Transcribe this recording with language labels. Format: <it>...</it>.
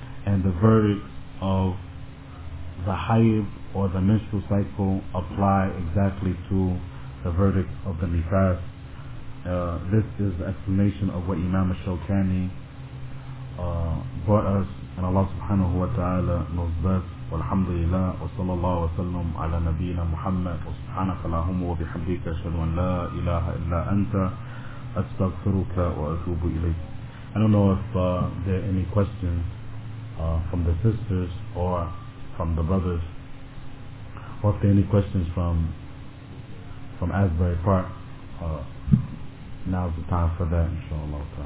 <en>And the verdict of the hayd or the menstrual cycle apply exactly to the verdict of the nifas. This is the explanation of what Imam al-Shawkani brought us, and Allah subhanahu wa ta'ala knows best.</en> <ar>والحمد لله وصلى الله وسلم على نبينا محمد سبحانك اللهم وبحمدك اشهد ان لا اله الا انت استغفرك واتوب اليك.</ar> <en>I don't know if there are any questions from the sisters or from the brothers, or if there are any questions from Asbury Park. Now's the time for that, inshallah.</en>